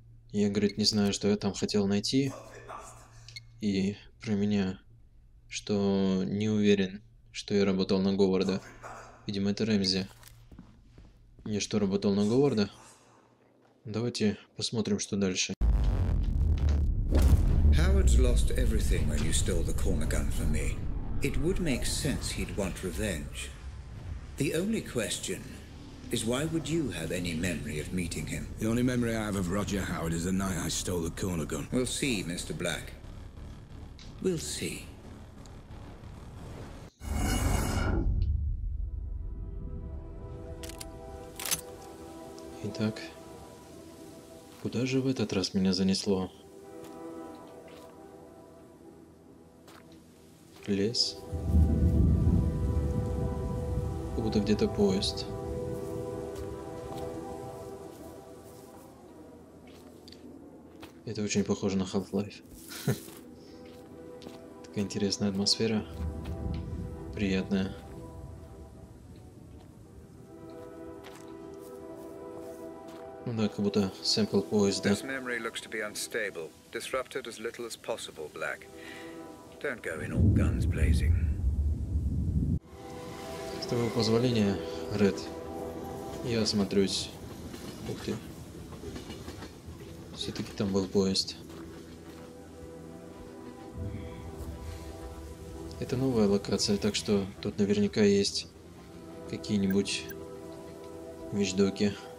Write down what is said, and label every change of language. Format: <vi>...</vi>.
<ru>Я, говорит, не знаю, что я там хотел найти. И про меня. Что не уверен, что я работал на Говарда. Видимо, это Рэмзи. Я что, работал на Говарда? Давайте посмотрим, что дальше.</ru> <en>Howard's lost everything when you stole the corner gun from me. It would make sense he'd want revenge. The only question is why would you have any memory of meeting him? The only memory I have of Roger Howard is the night I stole the corner gun. We'll see, Mr. Black. We'll see.</en> <ru>Итак, куда же в этот раз меня занесло? Лес. Как будто где-то поезд. Это очень похоже на Half-Life. Такая интересная атмосфера. Приятная. Ну да, как будто сэмпл поезда.</ru> <en>This memory looks to be unstable. Disrupted as little as possible, Black. Don't go in all guns blazing.</en> <ru>С твоего позволения, Ред, я осмотрюсь. Ух ты. Все-таки там был поезд. Это новая локация, так что тут наверняка есть какие-нибудь вещдоки.</ru>